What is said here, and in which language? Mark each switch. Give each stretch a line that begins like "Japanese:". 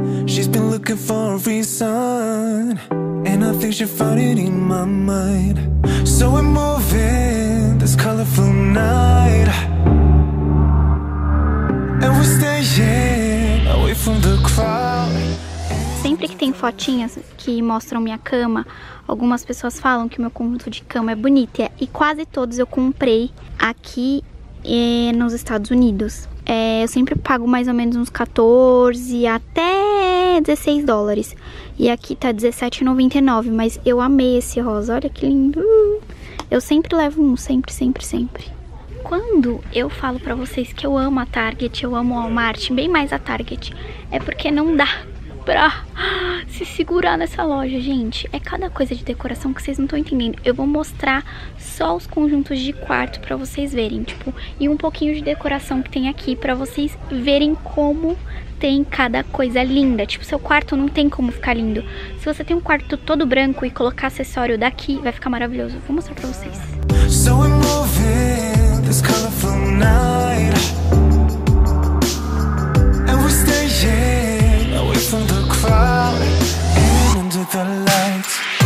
English: She's been looking for a reason, and I think she found it in my mind. So we're moving this colorful night, and we're staying away from the crowd.
Portuguese: Sempre que tem fotinhas que mostram minha cama, algumas pessoas falam que o meu conjunto de cama é bonito. E quase todos eu comprei aqui nos Estados Unidos. É, eu sempre pago mais ou menos uns 14 até 16 dólares. E aqui tá R$17,99, mas eu amei esse rosa. Olha que lindo. Eu sempre levo um, sempre, sempre, sempre. Quando eu falo pra vocês que eu amo a Target, eu amo o Walmart, bem mais a Target, é porque não dá pra se segurar nessa loja, gente. É cada coisa de decoração que vocês não estão entendendo. Eu vou mostrar só os conjuntos de quarto pra vocês verem, tipo, e um pouquinho de decoração que tem aqui pra vocês verem como tem cada coisa linda. Tipo, seu quarto não tem como ficar lindo. Se você tem um quarto todo branco e colocar acessório daqui, vai ficar maravilhoso. Vou mostrar pra vocês.
English: So we're moving this colorful night, and we're staying away from the crowd and under the lights.